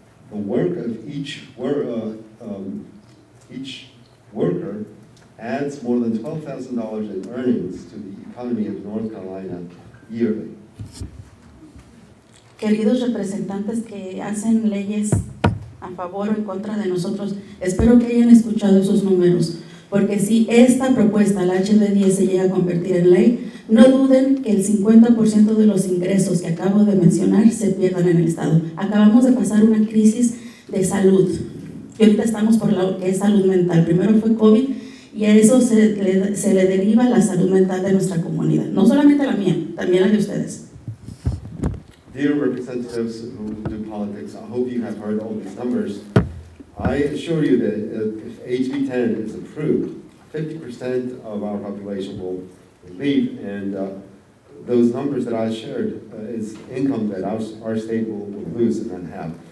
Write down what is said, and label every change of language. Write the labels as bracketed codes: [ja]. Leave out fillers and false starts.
[en] The work of each worker adds more than $12,000 in earnings to the economy of North Carolina yearly. [es] Queridos representantes que hacen leyes a favor o en contra de nosotros, espero que hayan escuchado esos números, porque si esta propuesta, la HB10, se llega a convertir en ley, no duden que el 50% de los ingresos que acabo de mencionar se pierdan en el estado. Acabamos de pasar una crisis de salud, y ahorita estamos por lo que es salud mental. Primero fue COVID, y a eso se le deriva la salud mental de nuestra comunidad. No solamente la mía, también la de ustedes. [en] dear representatives who do politics, I hope you have heard all these numbers. I assure you that if HB 10 is approved, 50% of our population will leave, and those numbers that I shared is income that our state will lose and then have.